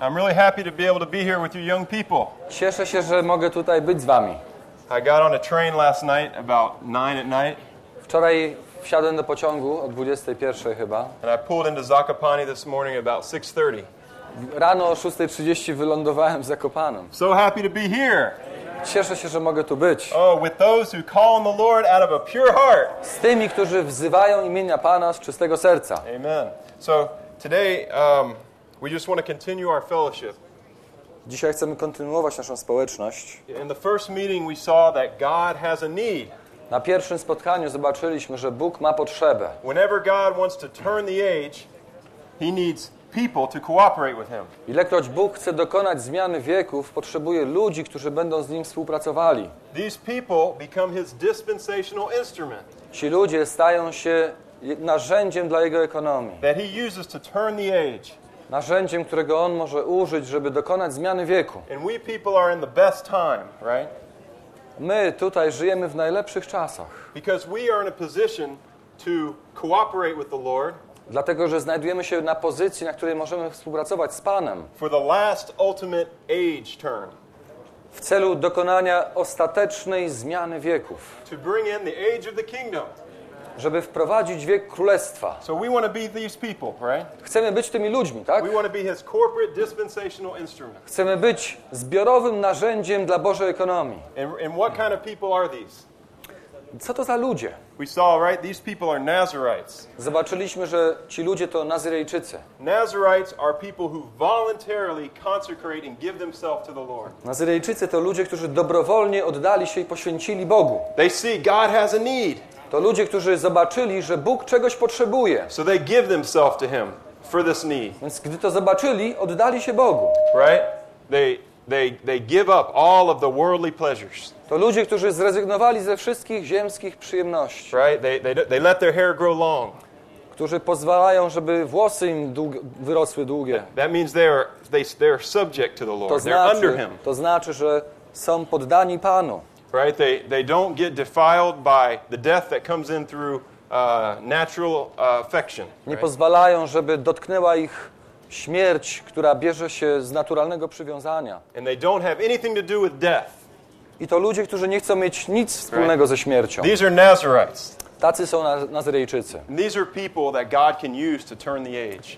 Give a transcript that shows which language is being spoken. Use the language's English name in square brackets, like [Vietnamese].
[English] I'm really happy to be able to be here with you young people. [Polish] Cieszę się, że mogę tutaj być z wami. [English] I got on a train last night about 9 at night. [Polish] Wczoraj wsiadłem do pociągu o 21 chyba. [English] And I pulled into Zakopane this morning about 6:30. [Polish] Rano o 6:30 wylądowałem w Zakopanem. [English] So happy to be here. [Polish] Cieszę się, że mogę tu być. [English] Oh, with those who call on the Lord out of a pure heart. [Polish] Z tymi, którzy wzywają imienia Pana z czystego serca. [English] Amen. So today we just want to continue our fellowship. [Polish] Dzisiaj chcemy kontynuować naszą społeczność. [English] In the first meeting we saw that God has a need. [Polish] Na pierwszym spotkaniu zobaczyliśmy, że Bóg ma potrzebę. [English] Whenever God wants to turn the age, he needs people to cooperate with him. [Polish] Ilekroć Bóg chce dokonać zmiany wieków, potrzebuje ludzi, którzy będą z nim współpracowali. [English] These people become his dispensational instrument. [Polish] Ci ludzie stają się narzędziem dla jego ekonomii. [English] That he uses to turn the age. [Polish] Narzędziem, którego on może użyć, żeby dokonać zmiany wieku. [English] And we people are in the best time, right? [Polish] My tutaj żyjemy w najlepszych czasach. [English] Because we are in a position to cooperate with the Lord. [Polish] Dlatego, że znajdujemy się na pozycji, na której możemy współpracować z Panem. [English] For the last ultimate age turn. [Polish] W celu dokonania ostatecznej zmiany wieków. [English] To bring in the age of the kingdom. [Polish] Żeby wprowadzić wiek królestwa. [English] So we want to be these people, right? [Polish] Chcemy być tymi ludźmi, tak? [English] We want to be his corporate dispensational instrument. [Polish] Chcemy być zbiorowym narzędziem dla Bożej ekonomii. [English] And what kind of people are these? [Polish] Co to za ludzie? [English] We saw, right? These people are Nazarites. [Polish] Zobaczyliśmy, że ci ludzie to Nazirejczycy. [English] Nazarites are people who voluntarily consecrate and give themselves to the Lord. [Polish] Nazirejczycy to ludzie, którzy dobrowolnie oddali się i poświęcili Bogu. [English] They see God has a need. [Polish] To ludzie, którzy zobaczyli, że Bóg czegoś potrzebuje. [English] So they give themselves to him for this need. [Polish] Więc gdy to zobaczyli, oddali się Bogu. [English] Right? They give up all of the worldly pleasures. [Polish] To ludzie, którzy zrezygnowali ze wszystkich ziemskich przyjemności. [English] Right? They let their hair grow long. [Polish] Którzy pozwalają, żeby włosy im wyrosły długie. [English] That means they're subject to the Lord. They're under him. [Polish] To znaczy, że są poddani Panu. [English] Right, they don't get defiled by the death that comes in through natural affection. Right? [Polish] Nie pozwalają, żeby dotknęła ich śmierć, która bierze się z naturalnego przywiązania. [English] And they don't have anything to do with death. [Polish] I to ludzie, którzy nie chcą mieć nic wspólnego [English] right? [Polish] ze śmiercią. [English] These are Nazarites. [Polish] Tacy są Nazarejczycy. [English] These are people that God can use to turn the age.